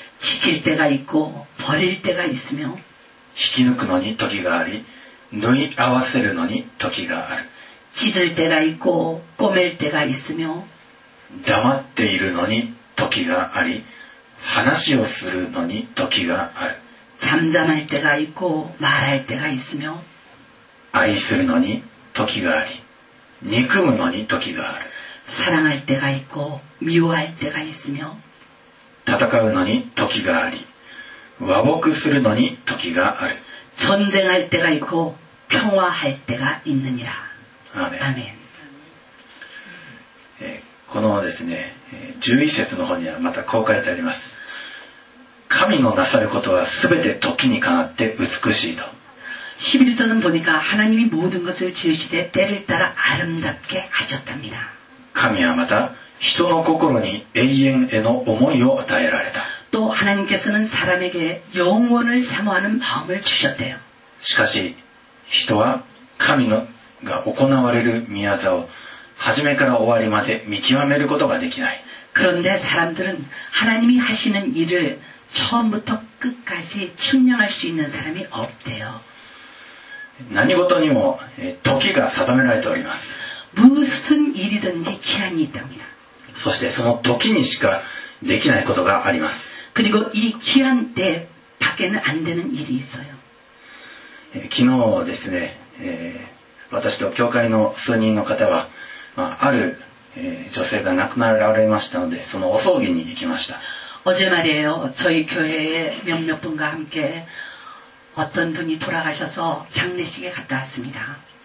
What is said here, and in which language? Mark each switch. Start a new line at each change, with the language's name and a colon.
Korean: 지킬때가있고버릴때가있으며
Japanese: 引き抜くのに時があり縫い合わせるのに時がある
Korean: 찢을때가있고꿰맬때가있으며
Japanese: 黙っているのに時があり話をするのに時がある
Korean: 잠잠할 때가 있고 말할 때가 있으며
Japanese: 愛するのに時があり憎むのに時がある
Korean: 사랑할때가있고미워할때가있으며
Japanese: 戦うのに時があり和睦するのに時がある
Korean: 전쟁할때가있고평화할때가있느니라 아멘아멘
Japanese: このですね11節の方にはまたこう書いてあります。神のなさることはすべて時にかなって美しいと。
Korean: 11절은보니까하나님이모든것을지으시되때를따라아름답게하셨답니다
Japanese: 神はまた人の心に永遠への思いを与えられた
Korean: 또하나님께서는사람에게영원을사모하는마음을주셨대요
Japanese: しかし人は神のが行われる御業を始めから終わりまで見極めることができない
Korean: 그런데사람들은하나님이하시는일을처음부터끝까지측량할수있는사람이없대요
Japanese: 何事にも時が定められております
Korean: 무슨일이든지기한이있답니다
Japanese: そしてその時にしかできないことがあります
Korean: 그리고이기한때밖에는안되는일이있어요
Japanese: 昨日ですね、私と教会の数人の方は、まあ、ある、女性が亡くなられましたのでそのお葬儀に行きました
Korean: 어제말이에요저희교회에몇몇분과함께어떤분이돌아가셔서장례식에갔다왔습니다